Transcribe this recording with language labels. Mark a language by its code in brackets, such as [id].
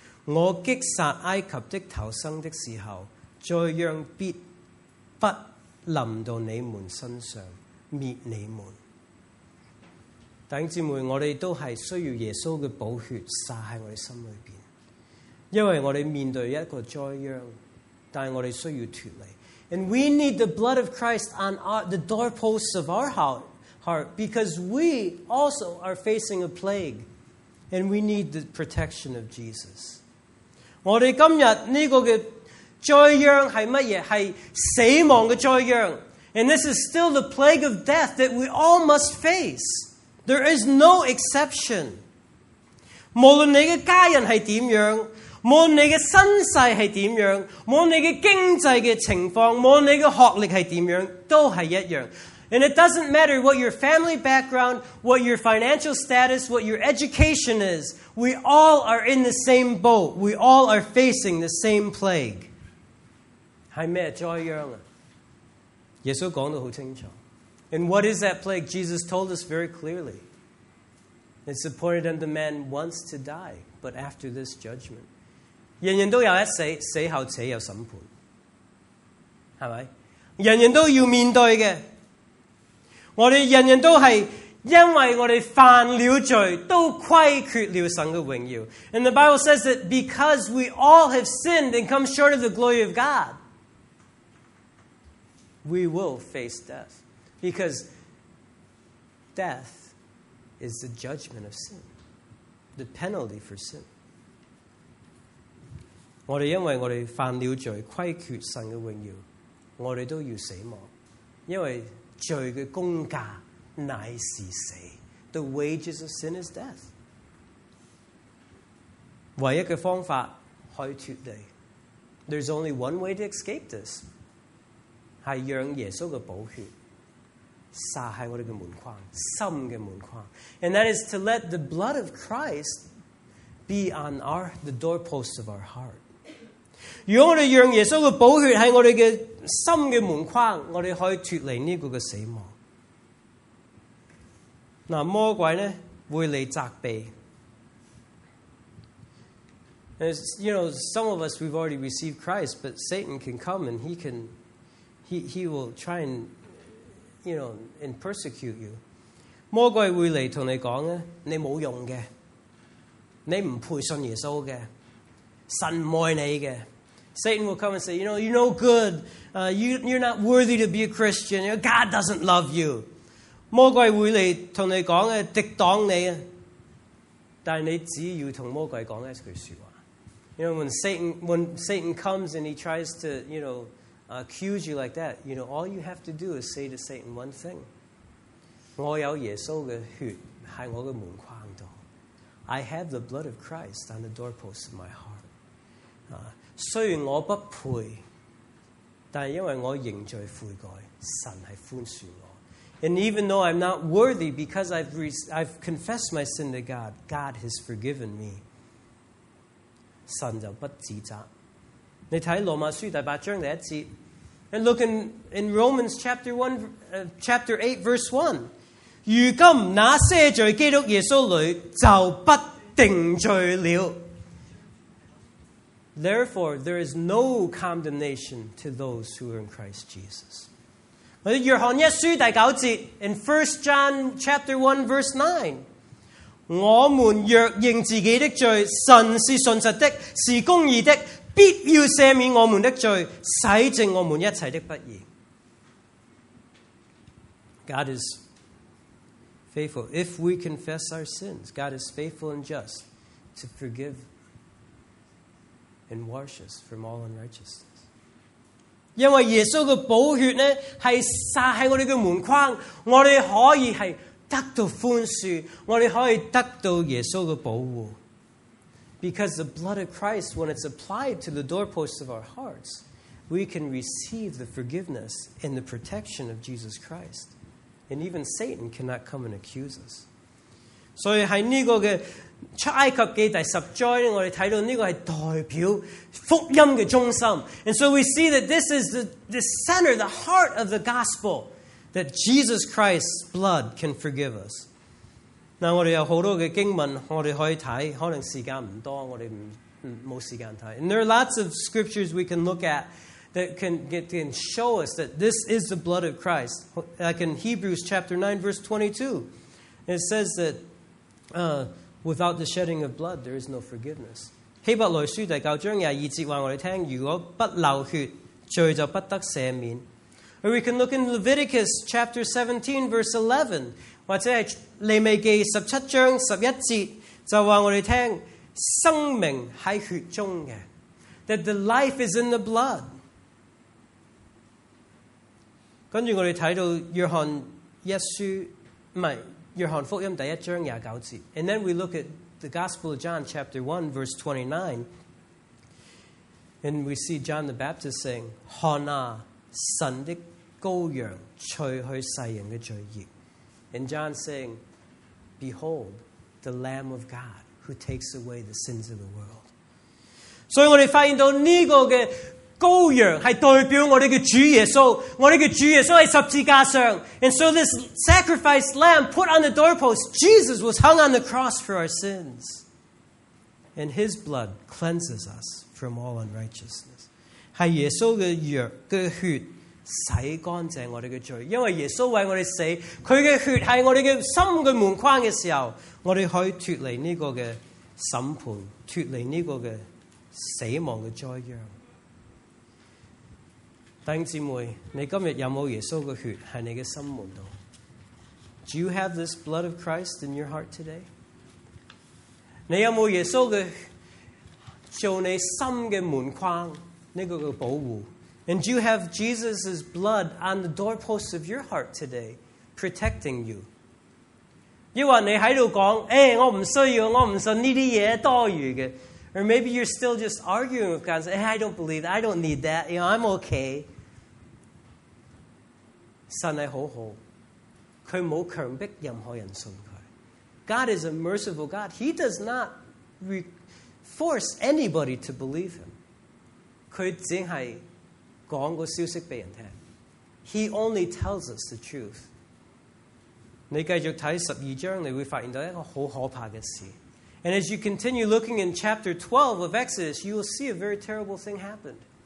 [zh] 我击杀埃及的头生的时候，再让必不临到你们身上灭你们。弟兄姊妹，我们都是需要耶稣的宝血洒在我们心里面，因为我们面对一个灾殃，但我们需要脱离。 [en] And we need the blood of Christ on the doorposts of our heart because we also are facing a plagueAnd we need the protection of Jesus. [zh] 我们今天这个的灾殃是什么？是死亡的灾殃。 [en] And this is still the plague of death that we all must face. There is no exception. [zh] 无论你的家人是怎样，无论你的身世是怎样，无论你的经济的情况，无论你的学历是怎样，都是一样。 [en] And it doesn't matter what your family background, what your financial status, what your education is. We all are in the same boat. We all are facing the same plague. [zh] 是什么灾殃？耶稣讲得很清楚。 [en] And what is that plague? Jesus told us very clearly. It's appointed unto man once to die, but after this judgment. [zh] 人人都有一死，死后且有审判。是不是？人人都要面对的。我们人人都是因为我们犯了罪，都亏缺了神的荣耀。 [en] And the Bible says that because we all have sinned and come short of the glory of God, we will face death. Because death is the judgment of sin, the penalty for sin. [zh] 我们因为我们犯了罪，亏缺神的荣耀，我们都要死亡，因为罪的工价乃是死。 [en] The wages of sin is death. [zh] 唯一的方法可以脱离。 [en] There's only one way to escape this. [zh] 是让耶稣的宝血洒在我们的门框，心的门框。 [en] And that is to let the blood of Christ be on the doorposts of our heart. [zh] 如果我们让耶稣的宝血在我们的心的门框，我们可以脱离这个的死亡。那魔鬼呢，会来责备。 [en] You know, some of us, we've already received Christ, but Satan can come and he will try and, you know, and persecute you. [zh] 魔鬼会来跟你说，你没有用的，你不配信耶稣的，神不爱你的。 [en] Satan will come and say, you know, you're no good. You're not worthy to be a Christian. God doesn't love you. [zh] 魔鬼会来跟你说，敌挡你，但你只要同魔鬼讲一句说话。 [en] You know, when Satan comes and he tries to, you know, accuse you like that, you know, all you have to do is say to Satan one thing. [zh] 我有耶稣的血在我的门框上。 [en] I have the blood of Christ on the doorpost of my heart. [zh] 虽然我不配，但因为我认罪悔改，神是宽恕我。 [en] And even though I'm not worthy, because I've confessed my sin to God, God has forgiven me. [zh] 神就不指责。你睇罗马书第八章第一节 ， [en] and look in Romans chapter 8, verse 1. [zh] 如今那些在基督耶稣里就不定罪了。 [en] Therefore, there is no condemnation to those who are in Christ Jesus. [zh] 约翰一书第九节 ， [en] in 1 John chapter 1 verse 9, [zh] 我们若认自己的罪，神是信实的，是公义的，必要赦免我们的罪，洗净我们一切的不义。 [en] God is faithful. If we confess our sins, God is faithful and just to forgive. And wash us from all unrighteousness. [zh] 因为耶稣的宝血呢，是撒在我们的门框，我们可以是得到宽恕，我们可以得到耶稣的保护。 [en] Because the blood of Christ, when it's applied to the doorposts of our hearts, we can receive the forgiveness and the protection of Jesus Christ. And even Satan cannot come and accuse us. [zh] 所以在这个的出埃及记第十章，我哋睇到呢个系代表福音嘅中心。 [en] And so we see that this is the center, the heart of the gospel, that Jesus Christ's blood can forgive us. [zh] 嗱，我哋有好多嘅经文，我哋可以睇，可能时间唔多，我哋冇时间睇。 [en] And there are lots of scriptures we can look at that can show us that this is the blood of Christ. Like in Hebrews chapter 9, verse 22, it says that. Without the shedding of blood, there is no forgiveness. [zh] 希伯来书第九章廿二节话我哋听，如果不流血，罪就不得赦免。 [en] Or we can look in Leviticus chapter 17, verse 11, [zh] 或者系利未记十七章十一节，就话我哋听，生命喺血中嘅 [en] ，that the life is in the blood. [zh] 跟住我哋睇到约翰一书，唔系。约翰福音第一章廿九节 [en] ，and then we look at the Gospel of John chapter 1 verse 29, and we see John the Baptist saying, [zh] 看啊，神的羔羊，除去世人的罪孽 [en] ，and John saying, Behold, the Lamb of God who takes away the sins of the world. [zh] 所以我哋发现到呢个嘅羔羊是代表我们的主耶稣，我们的主耶稣在十字架上。 [en] And so this sacrificed lamb put on the doorpost, Jesus was hung on the cross for our sins. And his blood cleanses us from all unrighteousness. [zh] 是耶稣的血洗干净我们的罪。因为耶稣为我们死，他的血是我们的心的门框的时候，我们可以脱离这个的审判，脱离这个的死亡的灾殃。弟兄姊妹，你今日有冇耶稣嘅血喺你嘅心门度 [en] ？Do you have this blood of Christ in your heart today？ [zh] 你有冇耶稣嘅做你心嘅门框呢个嘅保护 [en] ？And do you have Jesus' blood on the doorposts of your heart today, protecting you？ [zh] 因为你喺度讲，诶，我唔需要，我唔信呢啲嘢多余嘅。 [en] Or maybe you're still just arguing with God. Hey, I don't believe that. I don't need that. You know, I'm okay. [zh] 神是很好，他没有强迫任何人信他。 [en] God is a merciful God. He does not force anybody to believe him. [zh] 他只是讲个消息给人听。 [en] He only tells us the truth. [zh] 你继续看十二章，你会发现到一个很可怕的事。 [en] And as you continue looking in chapter 12 of Exodus, you will see a very terrible thing happened.